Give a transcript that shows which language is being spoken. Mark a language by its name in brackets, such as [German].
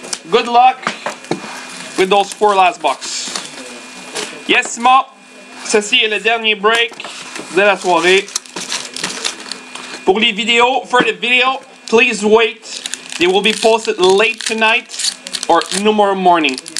[English] Good luck with those four last bucks. Yes, Simon. [French] Ceci est le dernier break de la soirée. Pour les vidéos, [English] for the video, please wait. They will be posted late tonight or tomorrow morning.